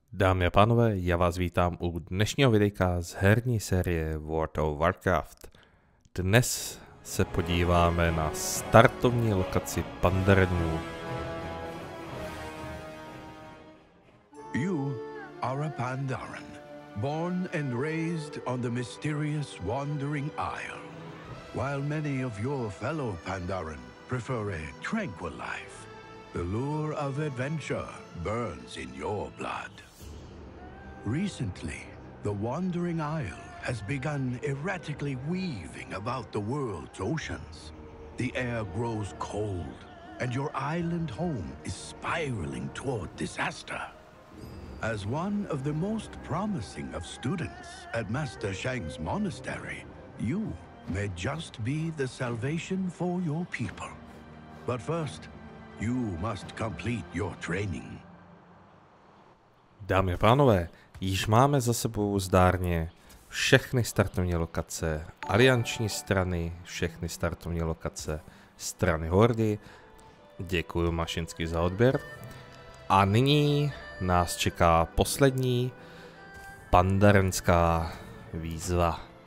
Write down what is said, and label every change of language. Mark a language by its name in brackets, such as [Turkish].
[Czech] Dámy a pánové, já vás vítám u dnešního videjka z herní série World of Warcraft. Dnes se podíváme na startovní lokaci Pandarenů. [English] You are a Pandaren, born and raised on the mysterious Wandering Isle. While many of your fellow Pandaren prefer a tranquil life, the lure of adventure burns in your blood. Recently, the Wandering Isle has begun erratically weaving about the world's oceans. The air grows cold, and your island home is spiraling toward disaster. As one of the most promising of students at Master Shang's monastery, you may just be the salvation for your people. But first, you must complete your training. [Czech] Dámy a pánové, již máme za sebou zdárně všechny startovní lokace alianční strany, všechny startovní lokace strany Hordy. Děkuju Mašinsky za odběr. A nyní nás čeká poslední pandarenská výzva.